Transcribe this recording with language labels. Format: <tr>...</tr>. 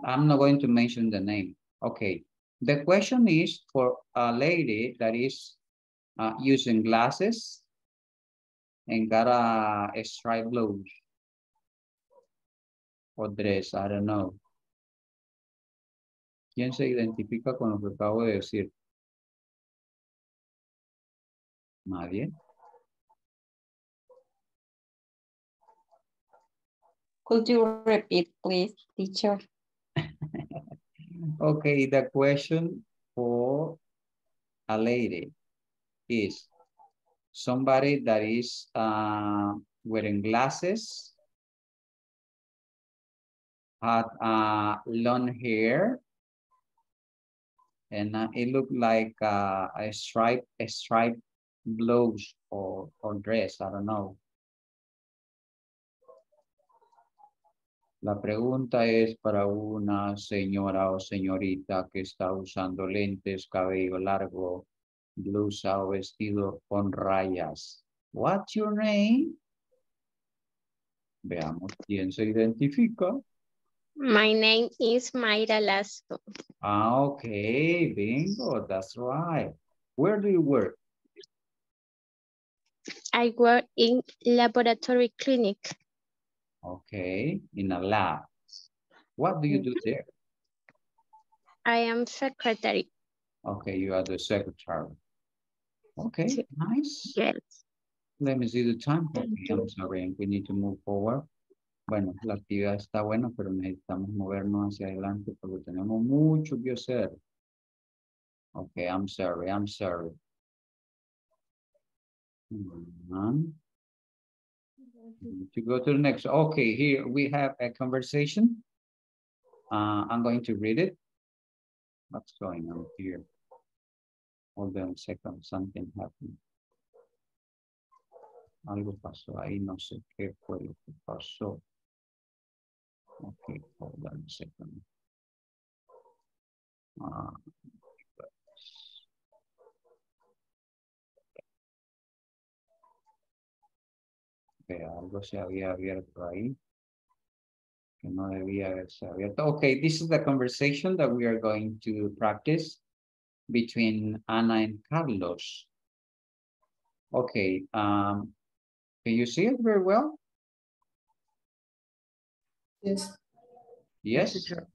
<en>I'm not going to mention the name. Okay, the question is for a lady that is using glasses and got a striped blouse or dress, I don't know.</en> <es>¿Quién se identifica con lo que acabo de decir? ¿Nadie?</es> <en>Could you repeat, please, teacher? Okay, the question for a lady is, somebody that is wearing glasses, had long hair, and it looked like a striped blouse or dress, I don't know.</en> <es>La pregunta es para una señora o señorita que está usando lentes, cabello largo, blusa o vestido con rayas.</es> <en>What's your name?</en> <es>Veamos quién se identifica.</es> <en>My name is Mayra Lasco. Ah, okay, bingo, that's right. Where do you work? I work in laboratory clinic. Okay, in a lab. What do you do there? I am secretary. Okay, you are the secretary. Okay, nice. Yes. Let me see the time. Okay, I'm sorry, we need to move forward.</en> <es>Bueno, la actividad está buena, pero necesitamos movernos hacia adelante porque tenemos mucho que hacer.</es> <en>Okay, I'm sorry, I'm sorry. To go to the next. Okay, here we have a conversation. I'm going to read it. What's going on here? Hold on a second, something happened.</en> <es>Algo pasó ahí, no sé qué fue lo que pasó.</es> <en>Okay, hold on a second.</en> <es>Algo se había abierto ahí que no debía haberse abierto.</es> <en>Okay, this is the conversation that we are going to practice between Ana and Carlos. Okay, can you see it very well? Yes. Yes.</en>